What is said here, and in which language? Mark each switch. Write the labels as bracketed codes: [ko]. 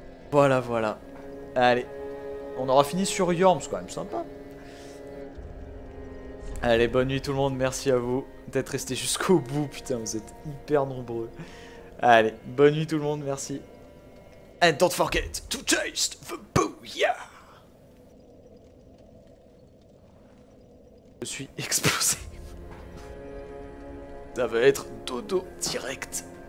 [fr] Voilà, voilà. Allez, on aura fini sur Yorms, quand même sympa. Allez, bonne nuit tout le monde, merci à vous d'être resté jusqu'au bout, putain, vous êtes hyper nombreux. Allez, bonne nuit tout le monde, merci. [en] And don't forget to taste the booyah! [fr] Je suis explosé. Ça va être dodo direct.